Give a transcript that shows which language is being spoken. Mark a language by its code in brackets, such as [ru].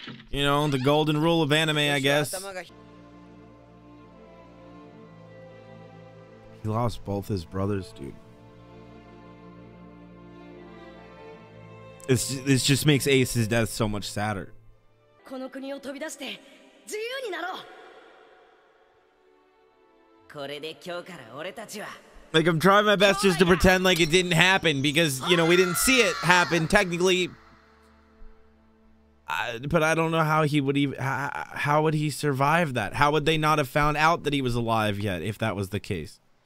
[en] You know, the golden rule of anime, I guess. He lost both his brothers, dude. This just makes Ace's death so much sadder. [ja] この国を飛び出して自由になろう。これで今日から俺たちは。 [en] Like, I'm trying my best just to pretend like it didn't happen because, you know, we didn't see it happen technically. But I don't know how he would even. How would he survive that? How would they not have found out that he was alive yet if that was the case?